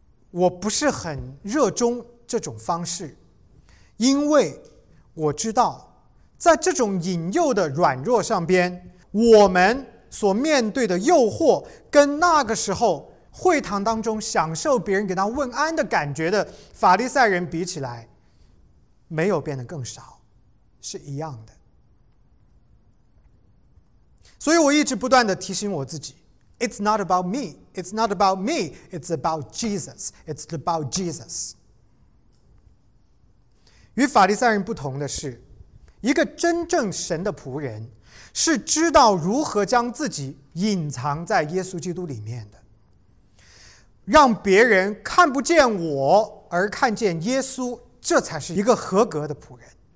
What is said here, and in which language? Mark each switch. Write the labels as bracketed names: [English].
[Chinese] 我不是很热衷这种方式，因为我知道在这种引诱的软弱上边，我们所面对的诱惑跟那个时候会堂当中享受别人给他问安的感觉的法利赛人比起来，没有变得更少，是一样的。所以我一直不断地提醒我自己， [English] It's not about me, it's not about me, it's about Jesus, it's about Jesus。 [Chinese] 与法利赛人不同的是，一个真正神的仆人是知道如何将自己隐藏在耶稣基督里面的，让别人看不见我而看见耶稣，这才是一个合格的仆人。